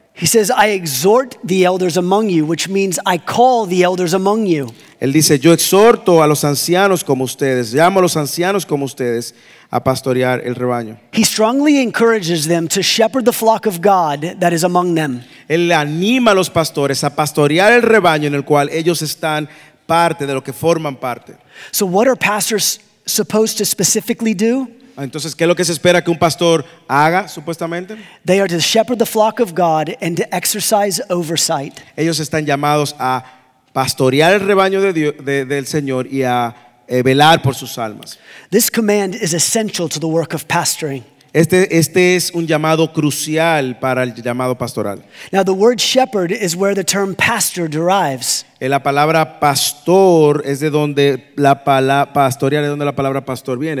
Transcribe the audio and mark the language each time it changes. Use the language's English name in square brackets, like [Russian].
[English] He says, "I exhort the elders among you," which means I call the elders among you. [Spanish] Él dice, "Yo exhorto a los ancianos como ustedes, llamo a los ancianos como ustedes." A pastorear el rebaño. [English] He strongly encourages them to shepherd the flock of God that is among them. [Spanish] Él anima a los pastores a pastorear el rebaño en el cual ellos están parte de lo que forman parte. [English] So what are pastors supposed to specifically do? [Spanish] Entonces, ¿qué es lo que se espera que un pastor haga, supuestamente? [English] They are to shepherd the flock of God and to exercise oversight. [Spanish] Ellos están llamados a pastorear el rebaño de Dios, del Señor y a velar por sus almas. [English] This command is essential to the work of pastoring. [Spanish] Este es un llamado crucial para el llamado pastoral. [English] Now the word shepherd is where the term pastor derives. [Spanish] La palabra pastor es de donde la palabra pastorear es donde la palabra pastor viene.